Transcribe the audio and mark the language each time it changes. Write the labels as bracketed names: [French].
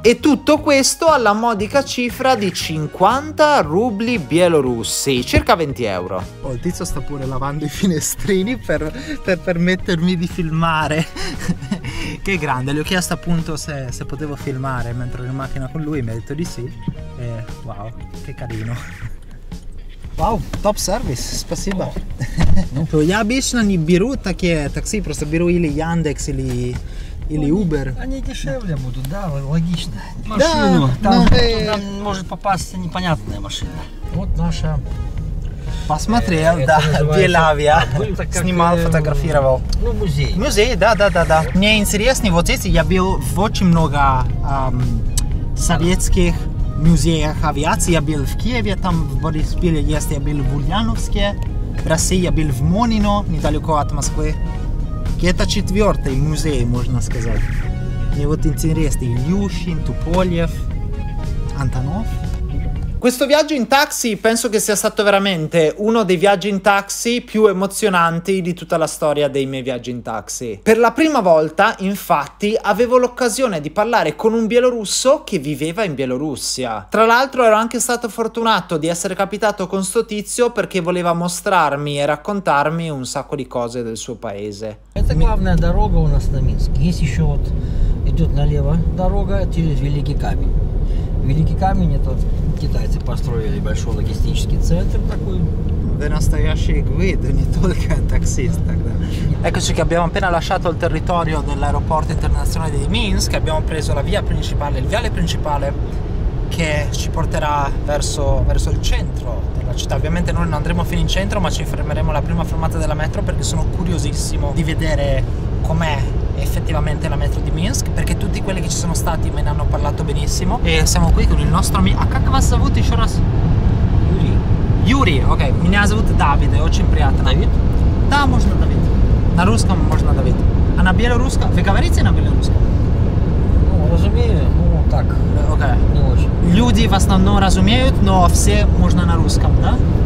[Italian] E tutto questo alla modica cifra di 50 rubli bielorussi, circa 20 euro. Oh, il tizio sta pure lavando i finestrini per permettermi di filmare. Che grande, gli ho chiesto appunto se potevo filmare mentre ero in macchina con lui, mi ha detto di sì. E wow, che carino. [English] Wow, top service, [Russian] спасибо. Ну, я обычно не беру такие такси, просто беру или Яндекс, или Uber. Они дешевле будут, да, логично. Машину, да, там, но... там может попасться непонятная машина. Вот наша. Посмотрел, да, Белавия. Снимал, фотографировал. Ну, музей. Музей, да, да, да, да. Мне интереснее, вот эти, я был в очень много советских музеях авиации. Я был в Киеве, там в Бориспиле есть, я был в Ульяновске. В России я был в Монино, недалеко от Москвы. Это четвертый музей, можно сказать. Мне вот интересно, Ильюшин, Туполев, Антонов. [Italian] Questo viaggio in taxi penso che sia stato veramente uno dei viaggi in taxi più emozionanti di tutta la storia dei miei viaggi in taxi. Per la prima volta, infatti, avevo l'occasione di parlare con un bielorusso che viveva in Bielorussia. Tra l'altro ero anche stato fortunato di essere capitato con sto tizio perché voleva mostrarmi e raccontarmi un sacco di cose del suo paese. Questa è la [Russian] главная дорога у нас на Минск. Есть еще вот идет налево дорога через Великий Камень. Великий Камень — это китайцы построили большой логистический центр такой. Вы настоящий гвид, не только таксист тогда. [Italian] Eccoci che abbiamo appena lasciato il territorio dell'aeroporto internazionale di Minsk, abbiamo preso la via principale, il viale principale che ci porterà verso il centro della città. Ovviamente noi non andremo fino in centro, ma ci fermeremo alla prima fermata della metro perché sono curiosissimo di vedere com'è effettivamente la metro di Minsk, perché tutti quelli che ci sono stati me ne hanno parlato benissimo. E siamo qui con il nostro amico. [Russian] Как вас зовут еще раз? Юрий. Ok, меня зовут Давид, очень приятно. Давид? Да, можно Давид. На русском можно Давид. А на белорусском? Вы говорите на белорусском? Ну, разумею, ну так. Ok. Не очень. Люди в основном разумеют, но все можно на русском, да?